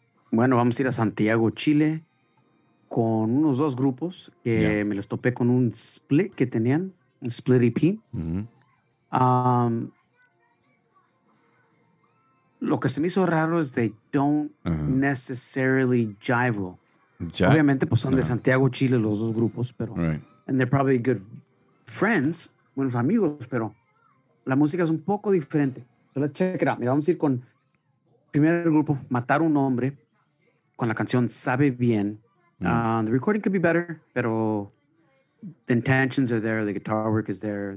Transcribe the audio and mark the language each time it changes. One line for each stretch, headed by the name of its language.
Spanish: Bueno, vamos a ir a Santiago, Chile, con unos dos grupos que me los topé con un split que tenían, un split EP. Uh-huh. Lo que se me hizo raro es
English: they don't necessarily jive.
Spanish: Obviamente, pues son de Santiago, Chile, los dos grupos, pero...
English: Right. And they're probably good friends,
Spanish: buenos amigos, pero... La música es un poco diferente.
English: So let's check it out.
Spanish: Mira, vamos a ir con primero el grupo Matar un Hombre con la canción Sabe Bien.
English: The recording could be better,
Spanish: pero
English: the intentions are there. The guitar work is there.